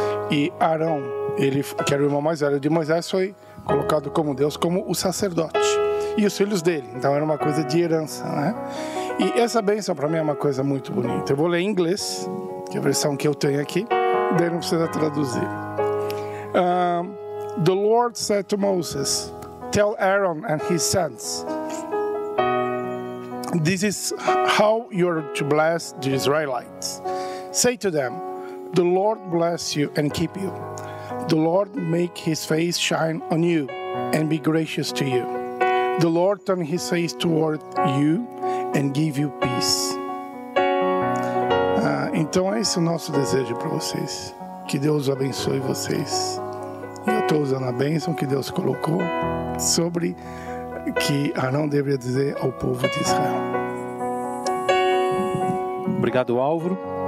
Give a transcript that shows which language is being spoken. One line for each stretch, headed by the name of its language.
Portuguese: E Arão, que era o irmão mais velho de Moisés, foi colocado como Deus, como o sacerdote. E os filhos dele. Então era uma coisa de herança, né? E essa bênção para mim é uma coisa muito bonita. Eu vou ler em inglês, que é a versão que eu tenho aqui. Daí não precisa traduzir.
English: The Lord said to Moses, tell Aaron and his sons, this is how you are to bless the Israelites. Say to them, the Lord bless you and keep you. The Lord make his face shine on you and be gracious to you. The Lord turn his face toward you and give you peace.
Portuguese: Então é esse o nosso desejo para vocês. Que Deus abençoe vocês. E eu estou usando a bênção que Deus colocou sobre que Arão deveria dizer ao povo de Israel. Obrigado, Álvaro.